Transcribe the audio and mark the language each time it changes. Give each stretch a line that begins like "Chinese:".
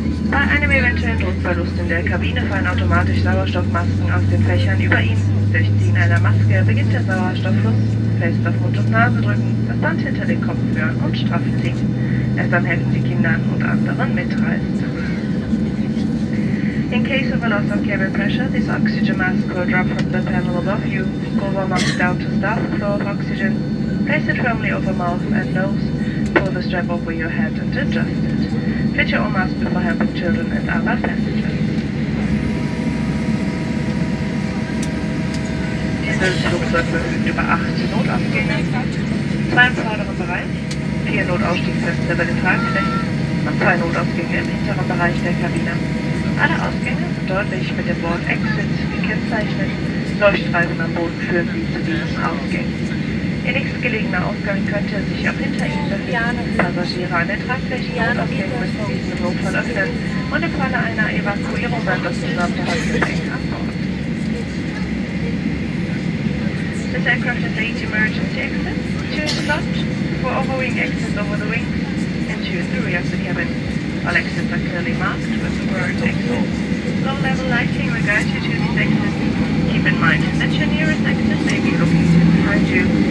German: Bei einem eventuellen Druckverlust in der Kabine fallen automatisch Sauerstoffmasken aus den Fächern über Ihnen. Durch Ziehen einer Maske beginnt der Sauerstofffluss. Fest auf Mund und Nase drücken, das Band hinter den Kopf führen und straff ziehen. Erst dann helfen Sie Kindern und anderen Mitreisenden.
English: In case of a loss of cabin pressure, this oxygen mask will drop from the panel above you. Go one mask down to start the flow of oxygen. Place it firmly over mouth and nose. Pull the strap over your head and adjust it. Fit your own mask before helping children and other passengers.
German: Das Flugzeug verfügt über 8 Notausgänge, 2 im vorderen Bereich, 4 Notausstiegsfenster bei den Tragflächen und 2 Notausgänge im hinteren Bereich der Kabine. Alle Ausgänge sind deutlich mit dem Wort Exit gekennzeichnet. Leuchtstreifen am Boden führen Sie zu diesem Ausgang. Ihr nächstgelegener Ausgang könnte sich auch hinter Ihnen befinden. Passagiere an den Tragflächen und Ausgängen müssen diesen Notfall öffnen und im Falle einer Evakuierung dann das gesamte Handgepäck abbauen.
English: This aircraft has 8 emergency exits, 2 in the front, 4 overwing exits over the wings, and 2 in the rear of the cabin. All exits are clearly marked with the word exit. Low-level lighting will guide you to these exits. Keep in mind that your nearest exit may be located behind you.